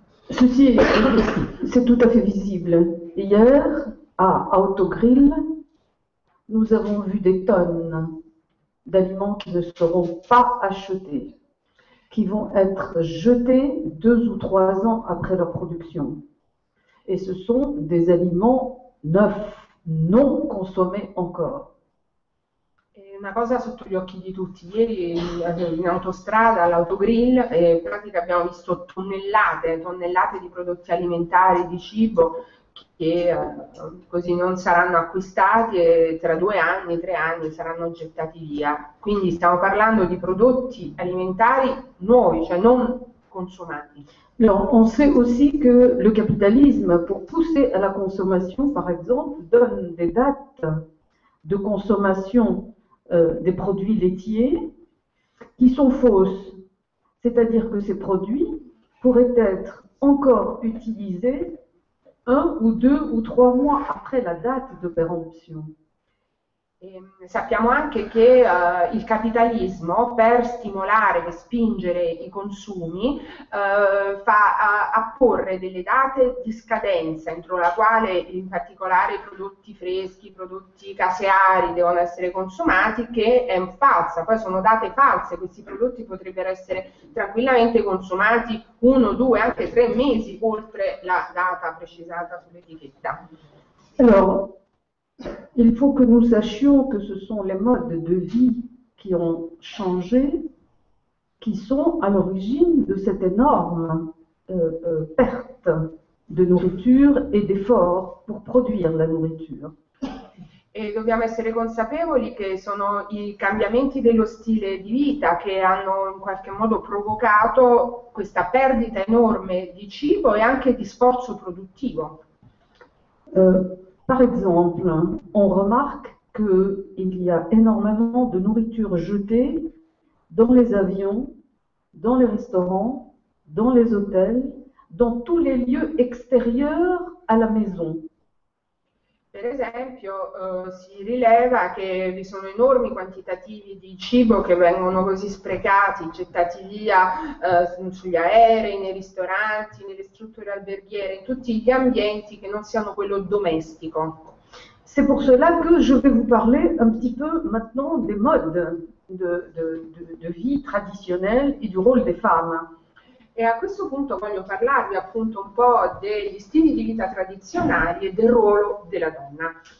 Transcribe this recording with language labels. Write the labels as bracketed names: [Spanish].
[French] Ceci c'est tout à fait visible. Hier, à Autogrill, nous avons vu des tonnes d'aliments qui ne seront pas achetés, qui vont être jetés 2 ou 3 ans après leur production. Et ce sont des aliments neufs, non consommés encore. [Italian] Una cosa sotto gli occhi di tutti, ieri in autostrada all'autogrill, in pratica abbiamo visto tonnellate, tonnellate di prodotti alimentari, di cibo, che così non saranno acquistati e tra 2 anni, 3 anni saranno gettati via. Quindi stiamo parlando di prodotti alimentari nuovi, cioè non consumati. [French] Alors, on sait aussi que le capitalisme, pour pousser à la consommation, par exemple, donne des dates de consommation des produits laitiers qui sont fausses. C'est-à-dire que ces produits pourraient être encore utilisés 1 ou 2 ou 3 mois après la date de péremption. [Italian] E sappiamo anche che il capitalismo, per stimolare, per spingere i consumi, fa a porre delle date di scadenza entro la quale in particolare i prodotti freschi, i prodotti caseari devono essere consumati, che è falsa. Poi sono date false, questi prodotti potrebbero essere tranquillamente consumati 1, 2, anche 3 mesi oltre la data precisata sull'etichetta. [French] Alors, il faut que nous sachions que ce sont les modes de vie qui ont changé, qui sont à l'origine de cette énorme perte de nourriture et d'efforts pour produire la nourriture. [Italian] E dobbiamo essere consapevoli che sono i cambiamenti dello stile di vita che hanno in qualche modo provocato questa perdita enorme di cibo e anche di sforzo produttivo. [French] Par exemple, on remarque qu'il y a énormément de nourriture jetée dans les avions, dans les restaurants, dans les hôtels, dans tous les lieux extérieurs à la maison. [Italian] Per esempio, si rileva che vi sono enormi quantitativi di cibo che vengono così sprecati, gettati via, sugli aerei, nei ristoranti, nelle strutture alberghiere, in tutti gli ambienti che non siano quello domestico. [French] C'est pour cela que je vais vous parler un petit peu maintenant des modes de vie traditionnelle et du rôle des femmes. [Italian] E a questo punto voglio parlarvi appunto un po' degli stili di vita tradizionali e del ruolo della donna.